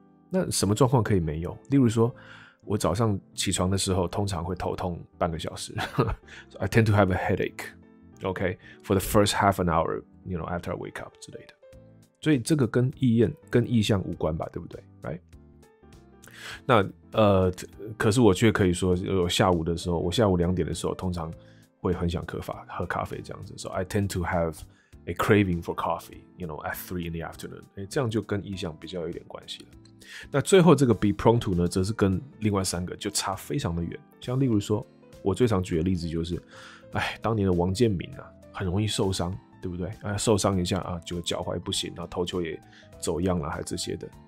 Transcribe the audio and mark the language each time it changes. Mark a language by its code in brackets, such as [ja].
[zh] 那什么状况可以没有？例如说，我早上起床的时候通常会头痛半个小时， [en] I tend to have a headache。 OK， for the first half an hour。 You know, after I wake up [zh] 之类的，所以这个跟意愿、跟意向无关吧，对不对 [en] ？Right？ [zh] 那可是我却可以说，我下午的时候，我下午两点的时候，通常会很想喝咖啡这样子。 [en] So I tend to have a craving for coffee, you know, at 3 in the afternoon. [zh] 这样就跟意向比较有点关系了。那最后这个 be prone to 呢，则是跟另外三个就差非常的远。像例如说，我最常举的例子就是，当年的王建民啊，很容易受伤，对不对？受伤一下啊，就脚踝不行，然后投球也走样了，还这些的。